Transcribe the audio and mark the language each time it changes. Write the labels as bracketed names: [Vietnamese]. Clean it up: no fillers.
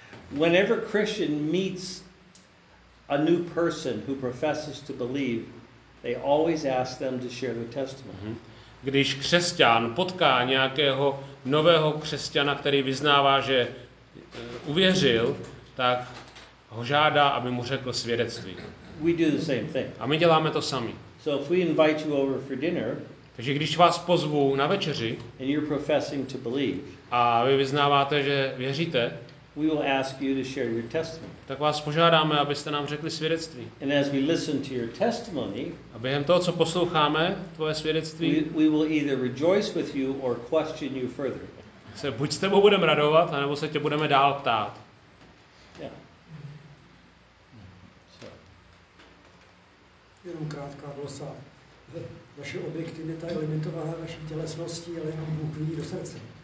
[English] Whenever Christian meets a new person who professes to believe, they always ask them to share their testimony. [Czech] Když křesťan potká nějakého nového křesťana, který vyznává, že uvěřil, tak ho žádá, aby mu řekl svědectví. [English] We do the same thing. [Czech] A my děláme to sami. [English] So if we invite you over for dinner, [Czech] takže když vás pozvu na večeři [English] and you're professing to believe, [Czech] a vy vyznáváte, že věříte, [English] we will ask you to share your testimony. [Czech] Tak vás požádáme, abyste nám řekli svědectví. [English] And as we listen to your testimony, [Czech] a během toho, co posloucháme tvoje svědectví, [English] we will either rejoice with you or question you further. [Czech] se buď s tebou budeme radovat, anebo se tě budeme dál ptát. Jenom krátká glosa. Vaše objektivita je limitovaná vaší tělesností, ale jenom Bůh vidí do srdce.